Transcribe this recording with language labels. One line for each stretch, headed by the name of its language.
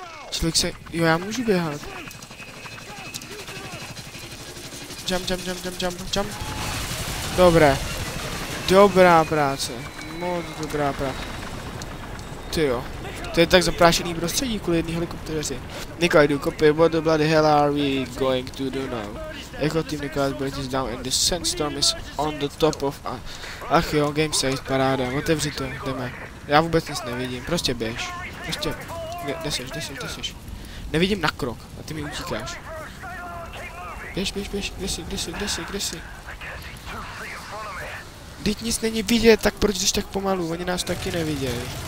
Czech: Člověk se... Jo, já můžu běhat.
English: Jump.
Czech: Dobré. Dobrá práce. Moc dobrá práce. Tyjo. To je tak zaprášený prostředí kvůli jedný helikopteři. Nikola, jdu kopy.
English: What the bloody hell are we going to do now? Echo team Nikola's bridge is down and the sandstorm is on the top of...
Czech: Ach jo,
English: game saved,
Czech: paráda, otevři to, jdeme. Já vůbec nic nevidím, prostě běž. Prostě, kde seš. Nevidím na krok a ty mi utíkáš. Běž, kde jsi. Vždyť nic není vidět, tak proč jdeš tak pomalu, oni nás taky nevidějí.